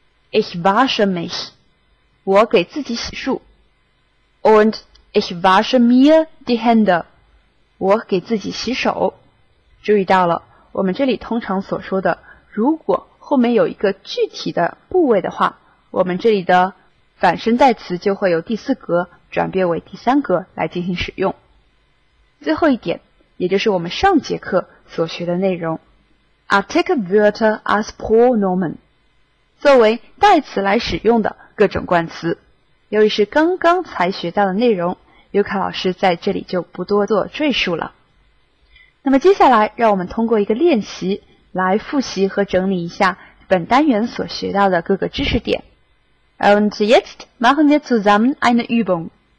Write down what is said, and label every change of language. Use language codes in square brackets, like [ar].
[de] Ich wasche mich， [zh] 我给自己洗漱。 [de] Und ich wasche mir die Hände， [zh] 我给自己洗手。注意到了我们这里通常所说的如果后面有一个具体的部位的话，我们这里的反身代词就会由第四格转变为第三格来进行使用。最后一点也就是我们上节课所学的内容， [de] Artikelwörter als Pronomen， [zh] 作为代词来使用的各种冠词。由于是刚刚才学到的内容，尤卡老师在这里就不多做赘述了。那么接下来让我们通过一个练习来复习和整理一下本单元所学到的各个知识点。 [de] Und jetzt machen wir zusammen eine Übung。